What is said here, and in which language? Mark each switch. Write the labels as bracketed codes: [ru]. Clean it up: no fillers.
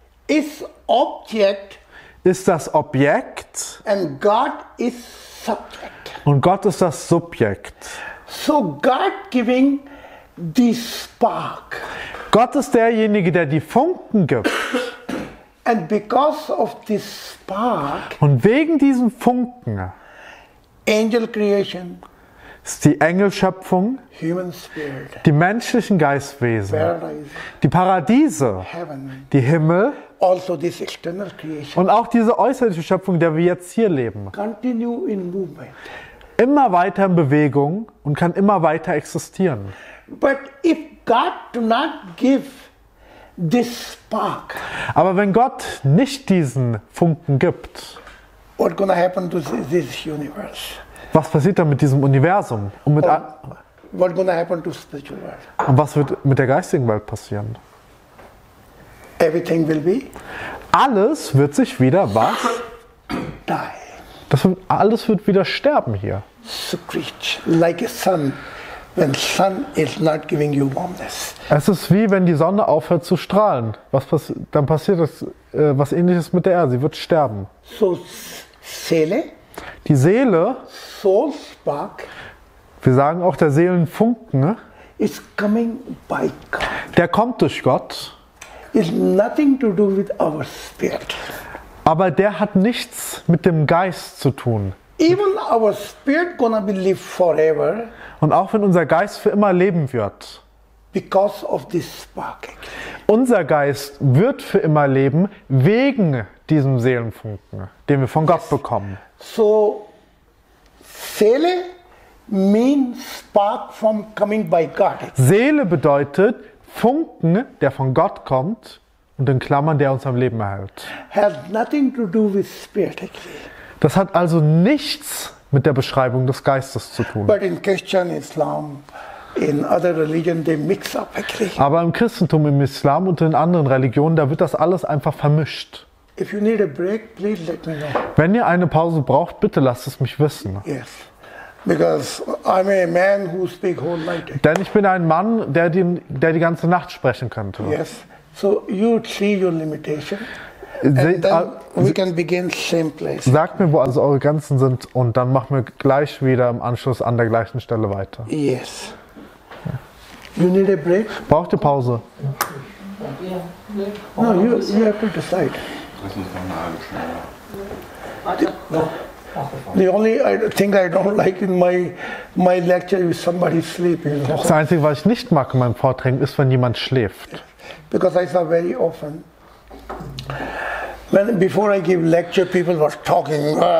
[en] Is object. [de] Ist das Objekt. [en] And God is subject. [de] Und Gott ist das Subjekt. [en] So, God giving the spark. [de] Gott ist derjenige, der die Funken gibt. [en] And because of this spark. [de] Und wegen diesen Funken. [en] Angel creation, [de] ist die Engelschöpfung, [en] human spirit, [de] die menschlichen Geistwesen, [en] paradise, [de] die Paradiese, [en] heaven, [de] die Himmel, [en] also this external creation, [de] und auch diese äußerliche Schöpfung, der wir jetzt hier leben, [en] continue in movement, [de] immer weiter in Bewegung und kann immer weiter existieren. [en] But if God do not give this spark, [de] aber wenn Gott nicht diesen Funken gibt, [en] what's gonna happen to this universe? [de] Was passiert dann mit diesem Universum? Und mit [en] or, what's going to happen to spiritual world. [de] Und was wird mit der geistigen Welt passieren? [en] Everything will be. [de] Alles wird sich wieder was? [en] Die. [de] Das wird, alles wird wieder sterben hier. [en] So great, like a sun. When sun is not giving you warmness. [de] Es ist wie wenn die Sonne aufhört zu strahlen. Was dann passiert das, was ähnliches mit der Erde, sie wird sterben. [en] So Seele? [de] Die Seele. [en] Soul spark. [de] Wir sagen auch der Seelenfunken, ne? [en] Is coming by God. [de] Der kommt durch Gott. [en] Is nothing to do with our spirit. [de] Aber der hat nichts mit dem Geist zu tun. [en] Even our spirit gonna be live forever. [de] Und auch wenn unser Geist für immer leben wird. [en] Because of this spark. [de] Unser Geist wird für immer leben wegen diesem Seelenfunken, den wir von Gott bekommen. [en] So Seele means spark from coming by God. [de] Seele bedeutet Funken, der von Gott kommt und in Klammern, der uns am Leben erhält. [en] Has nothing to do with spirit actually. [de] Das hat also nichts mit der Beschreibung des Geistes zu tun. [en] But in Christian Islam, in other religion, they mix up, actually. [de] Aber im Christentum, im Islam und in anderen Religionen, da wird das alles einfach vermischt. [en] If you need a break, please let me know. [de] Wenn ihr eine Pause braucht, bitte lasst es mich wissen. [en] Yes. Because I'm a man who speak whole night. [de] Denn ich bin ein Mann, der die ganze Nacht sprechen könnte. [en] Yes. So you see your limitation. And then we can begin same place. [de] Sagt mir, wo also eure Grenzen sind, und dann machen wir gleich wieder im Anschluss an der gleichen Stelle weiter. [en] Yes. You need a break? [de] Braucht ihr Pause? Ja. [en] No, you have to decide. The only thing I don't like in my lecture is somebody sleeping. [de] Das Einzige, was ich nicht mag in meinem Vortrag, ist, wenn jemand schläft. [en] Because I saw very often. When, before I give lecture, people were talking.